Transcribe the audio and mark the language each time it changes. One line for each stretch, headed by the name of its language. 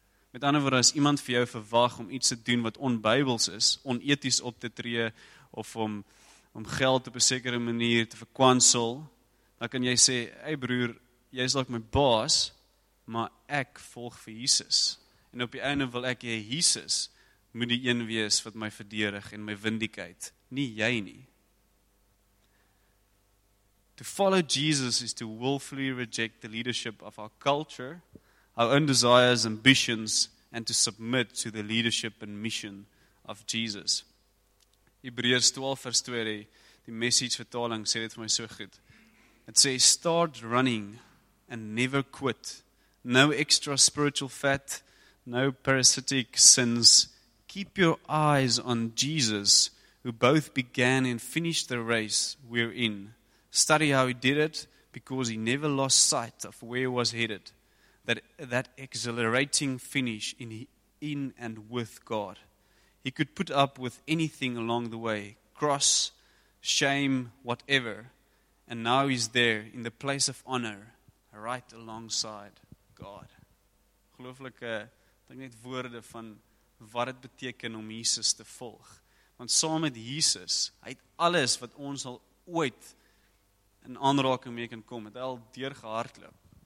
Afrikaans: Met ander woorde, as iemand vir jou verwag om iets te doen wat onbybels is, oneties op te tree, of om geld op 'n sekere manier te verkwansel, dan kan jy sê, hey broer, jy is dalk my baas, maar ek volg vir Jesus. En op die einde wil ek jy Jesus moet die een wees wat my verdedig en my vindikheid, nie jy nie.
English: To follow Jesus is to willfully reject the leadership of our culture, our own desires, ambitions, and to submit to the leadership and mission of Jesus.
Afrikaans: Hebreërs 12 vers 2, die message vertaling sê dit vir my so goed.
English: It says, start running and never quit. No extra spiritual fat, no parasitic sins. Keep your eyes on Jesus, who both began and finished the race we're in. Study how he did it, because he never lost sight of where he was headed. That exhilarating finish in and with God. He could put up with anything along the way, cross, shame, whatever. And now he's there in the place of honor, right alongside God.
Afrikaans: Gelooflik, dink net woorde van wat het beteken om Jesus te volg. Want saam met Jesus, hy het alles wat ons al ooit in aanraking mee kan kom, het al deur gehardloop.